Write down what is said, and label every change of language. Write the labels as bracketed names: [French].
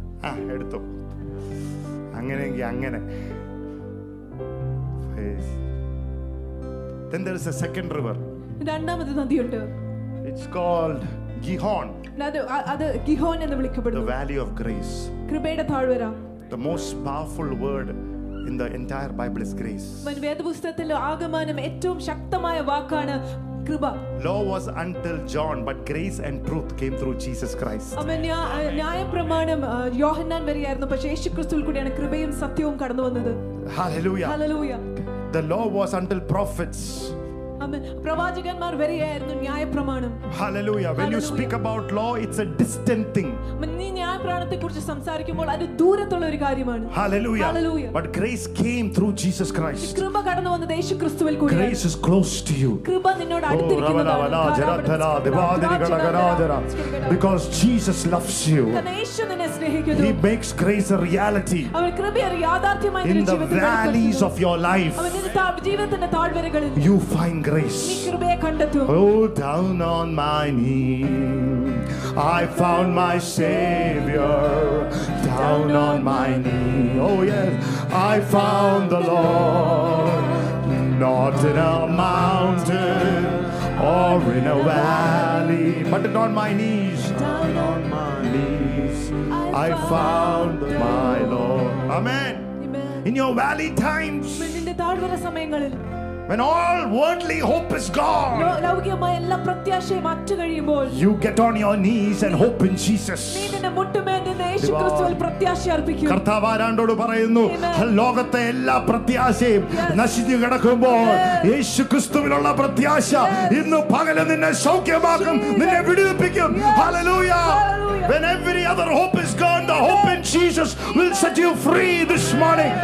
[English] Ah, [Malayalam] edutho. Angane, angane. [English] Praise. Then there is a second river. [Malayalam] രണ്ടാമത്തെ നദിയുണ്ട്. [English] It's called Gihon. [Malayalam] അതാ Gihon എന്ന് വിളിക്കപ്പെടുന്നു. [English] The valley of grace. [Malayalam] കൃപയുടെ താഴ്വര. [English] The most powerful word in the entire Bible is grace. [Malayalam] മുൻ വേദപുസ്തകത്തിലെ ആഗമനം ഏറ്റവും ശക്തമായ വാക്കാണ് കൃപ. [English] Law was until John, but grace and truth came through Jesus Christ. [Malayalam] അമേനിയാ ന്യായപ്രമാണം യോഹന്നാൻ വരെയായിരുന്നു, പക്ഷേ യേശുക്രിസ്തുവിൽ കൂടിയാണ് കൃപയും സത്യവും കടന്നു വന്നത്. [English] Hallelujah. Hallelujah. The law was until prophets. [Malayalam] പ്രവാചകന്മാർ വരെയായിരുന്നു ന്യായപ്രമാണം. [English] Hallelujah. When you speak about law, it's a distant thing. [Malayalam] നീ ന്യായപ്രമാണത്തെ കുറിച്ച് സംസാരിക്കുമ്പോൾ അത് ദൂരത്തുള്ള ഒരു കാര്യമാണ്. [English] Hallelujah. Hallelujah. But grace came through Jesus Christ. [Malayalam] കൃപ കടന്നു വന്നത് യേശുക്രിസ്തുവിൽ കൂടി. [English] Grace is close to you. [Malayalam] കൃപ നിന്നോട് അടുത്തിരിക്കുന്നു. [English] Because Jesus loves you. He makes grace a reality. [Malayalam] അവൻ കൃപയെ ഒരു യാഥാർത്ഥ്യമായി നിന്റെ ജീവിതത്തിൽ വരുത്തുന്നു. [English] In the valleys of your life. [Malayalam] അവൻ നിന്റെ ജീവിതത്തിന്റെ താഴ്വരകളിൽ. [English] You find grace. [Malayalam] നീ കൃപയെ കണ്ടെത്തു. [English] Oh, down on my knee. I found my Savior. Down on my knee. Oh yes, I found the Lord. Not in a mountain or in a valley, but on my knees. Down on my knees. I found my Lord. Amen. In your valley times. [Malayalam] നിന്റെ താഴ്വര സമയങ്ങളിൽ. [English] When all worldly hope is gone, [Malayalam] ലൗകികമായ എല്ലാ പ്രത്യാശയും അറ്റുകഴിയുമ്പോൾ, [English] you get on your knees and hope in Jesus. [Malayalam] നിന്റെ മുട്ടുമേൽ നിന്ന് യേശുക്രിസ്തുവിൽ പ്രത്യാശ അർപ്പിക്കുക. കർത്താവ് ആരാണ്ടോട് പറയുന്നു, ലോകത്തെ എല്ലാ പ്രത്യാശയും നശിച്ചു കിടക്കുമ്പോൾ യേശുക്രിസ്തുവിലുള്ള പ്രത്യാശ ഇന്ന് പകല് നിന്നെ സൗഖ്യമാക്കും, നിന്നെ വിടുവിപ്പിക്കും. ഹല്ലേലൂയാ. [English] When every other hope is gone, the hope in Jesus will set you free this morning.